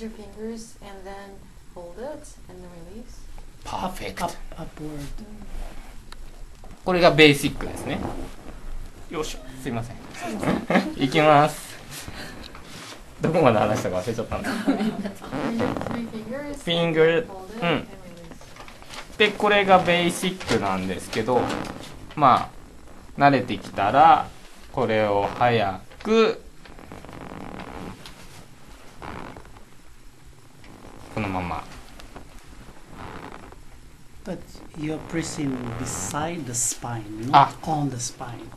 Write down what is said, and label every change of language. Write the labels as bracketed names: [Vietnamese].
[English] your fingers and then hold it and then release. Perfect. Up, upward. [Japanese] これがベーシックですね。よし、すいません。いきます。どこまで話したか忘れちゃったんだ。 [English] Finger. うん。 [Japanese] で、これがベーシックなんですけど、まあ。慣れてきたら、これを早く、このまま。 [English] But you're pressing beside the spine, not on the spine.